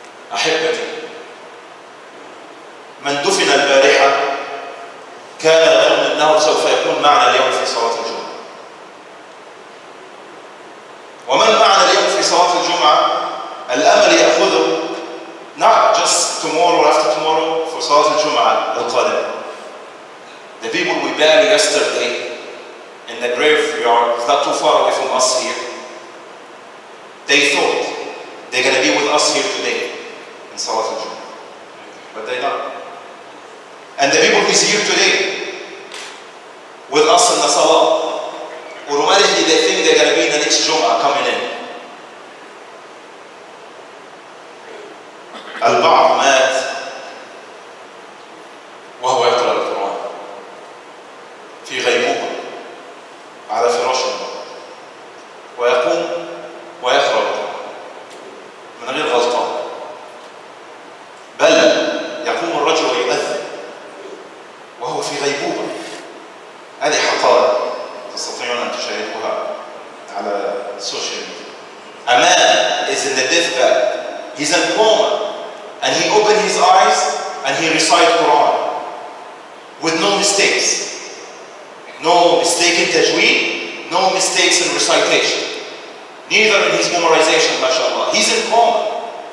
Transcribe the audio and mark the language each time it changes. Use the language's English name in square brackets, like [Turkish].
[Arabic] أحبتي من دفن البارحة كان أنه سوف يكون معنا اليوم في صلاة الجمعة. ومن معنا اليوم في صلاة الجمعة؟ الأمل يأخذه. [English] Not just tomorrow or after tomorrow for [Arabic] صلاة الجمعة القادمة. [English] The people we buried yesterday in the graveyard, it's not too far away from us here. They thought they're going to be with us here today in [Arabic] صلاة الجمعة. [English] But they're not. And the people who's here today with us in the Salah, automatically they think they're going to be in the next Jum'ah coming in. [Arabic] البعض مات وهو يقرأ القرآن في غيبوبة على فراشه ويقوم ويخرج من غير غلطة، بل يقوم الرجل ويؤذن وهو في غيبوبة. هذه حقائق تستطيعون أن تشاهدوها على السوشيال ميديا. [English] A man is in the deathbed. He's in coma. And he opened his eyes and he recited Quran with no mistakes. No mistake in tajweed, no mistakes in recitation. Neither in his memorization, mashallah. He's in coma.